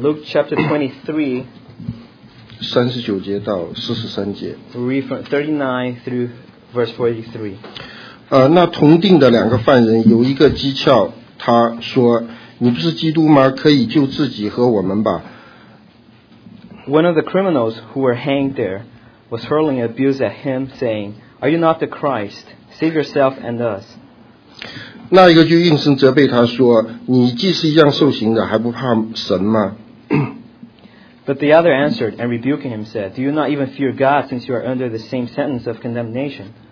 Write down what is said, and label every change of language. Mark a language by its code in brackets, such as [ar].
[en] Luke chapter 23. [zh] 39节到43节。We [en] read from 39 through verse 43. [zh] 那同定的两个犯人有一个讥诮，他说。你不是基督吗？可以救自己和我们吧。 [en] One of the criminals who were hanged there was hurling abuse at him, saying, "Are you not the Christ? Save yourself and us." [zh] 那一个就应声责备他说：“你既是一样受刑的，还不怕神吗？” [en] But the other answered and rebuking him said, "Do you not even fear God, since you are under the same sentence of condemnation?"